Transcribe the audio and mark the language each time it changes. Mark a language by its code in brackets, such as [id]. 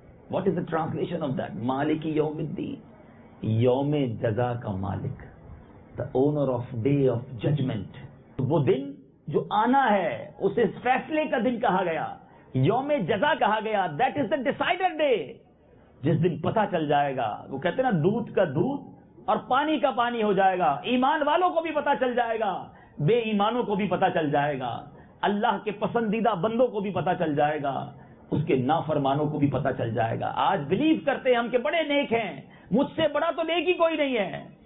[en] What is the translation of that? [ar] مالک یوم الدین, [ur] یوم جزا کا مالک, [en] The owner of day of judgment. [ur] وہ دن جو آنا ہے اسے فیصلے کا دن کہا گیا, یوم جزا کہا گیا. [en] that is the decided day, [ur] جس دن پتا چل جائے گا. وہ کہتے ہیں نا دودھ کا دودھ اور پانی کا پانی ہو جائے گا, ایمان والوں کو بھی پتا چل جائے گا, بے ایمانوں کو بھی پتا چل جائے گا, اللہ کے پسندیدہ بندوں کو بھی پتا چل جائے گا, اس کے نافرمانوں کو بھی پتا چل جائے گا. آج بلیو کرتے ہیں ہم کہ بڑے نیک ہیں, مجھ سے بڑا تو نیک ہی کوئی نہیں ہے.